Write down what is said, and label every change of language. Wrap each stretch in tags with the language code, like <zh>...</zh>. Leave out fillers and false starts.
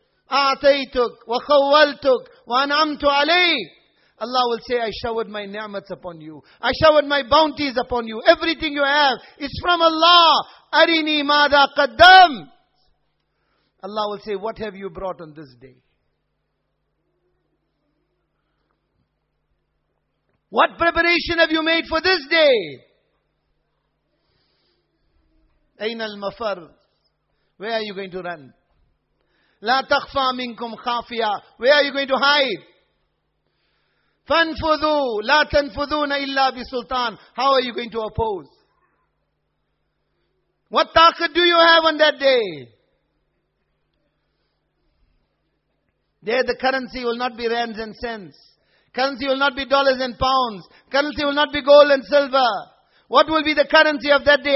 <ar>أعطيتك وخولتك وأنعمت عليك.</ar> <en>Allah will say, I showered my ni'mats upon you. I showered my bounties upon you. Everything you have is from Allah.</en> <ar>أرني ماذا قدم.</ar> <en>Allah will say, what have you brought on this day? What preparation have you made for this day? أين المفر؟ Where are you going to run?</en> <ar>لا تخفى منكم خافية.</ar> <en>Where are you going to hide?</en> <ar>فانفذوا لا تنفذون إلا بسلطان.</ar> <en>How are you going to oppose? What taqat do you have on that day? There the currency will not be rands and cents. Currency will not be dollars and pounds. Currency will not be gold and silver. What will be the currency of that day?</en>